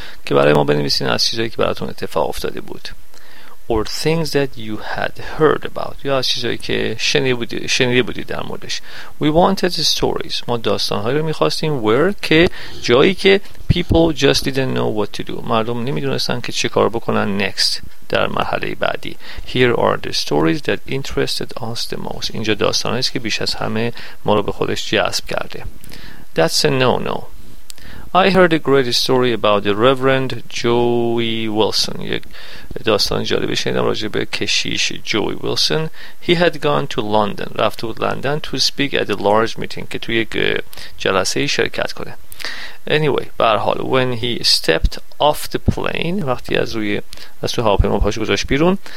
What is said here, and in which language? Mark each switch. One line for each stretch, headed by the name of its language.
Persian: که برای ما بنویسین از چیزایی که براتون اتفاق افتاده بود.
English: Or things that you had heard about.
Persian: یا از چیزایی که شنیده بودی در موردش.
English: We wanted stories.
Persian: ما داستانهایی رو میخواستیم.
English: Where
Persian: که جایی که
English: people just didn't know what to do.
Persian: مردم نمیدونستن که چه کار بکنن
English: next.
Persian: در مرحله بعدی.
English: Here are the stories that interested us the most.
Persian: اینجا داستانهایی است که بیش از همه ما رو به خودش جذب کرده.
English: That's a no-no. I heard a great story about the Reverend Joey Wilson.
Persian: یک داستان جالب شنیدم راجع به کشیش جوی ویلسون.
English: He had gone to London.
Persian: رفت بود لندن
English: to speak at a large meeting.
Persian: که توی یک جلسه شرکت کنه.
English: Anyway,
Persian: برحال.
English: When he stepped off the plane.
Persian: وقتی از روی هواپیما پاشو گذاشت بیرون.